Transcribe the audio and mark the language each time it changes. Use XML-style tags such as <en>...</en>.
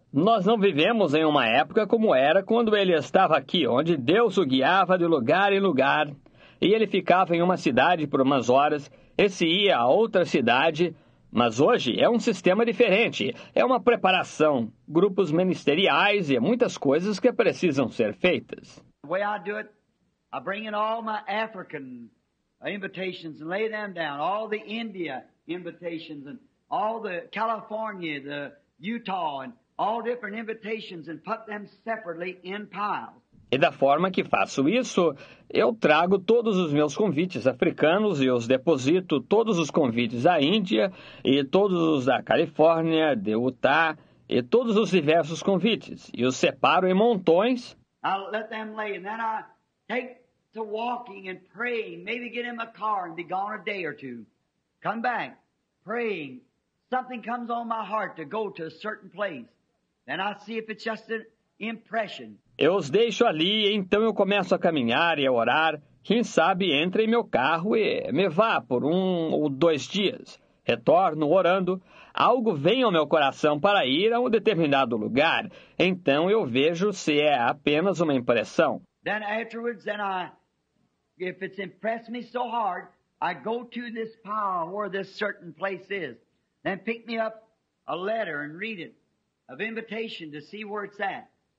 <pt>Nós não vivemos em uma época como era quando ele estava aqui, onde Deus o guiava de lugar em lugar, e ele ficava em uma cidade por umas horas, e se ia a outra cidade, mas hoje é um sistema diferente, é uma preparação, grupos ministeriais e muitas coisas que precisam ser feitas.</pt> <en>The way I do it, I bring in all my African invitations and lay them down, all the India invitations and all the California, the Utah and all different invitations and put them separately in piles.</en> <pt>E da forma que faço isso, eu trago todos os meus convites africanos e os deposito todos os convites da Índia e todos os da Califórnia, de Utah e todos os diversos convites. E os separo em montões.</pt> <en>I'll let them lay and then I take to walking and praying, maybe get in my car and be gone a day or two. Come back, praying. Something comes on my heart to go to a certain place. Then I see if it's just an impression.</en> <pt>Eu os deixo ali, então eu começo a caminhar e a orar. Quem sabe entre em meu carro e me vá por um ou dois dias. Retorno orando. Algo vem ao meu coração para ir a um determinado lugar. Então eu vejo se é apenas uma impressão.</pt> <en>Then afterwards, then I, if it's impressed me so hard, I go to this pile where this certain place is. Then pick me up a letter and read it, of invitation to see where it's at.</en>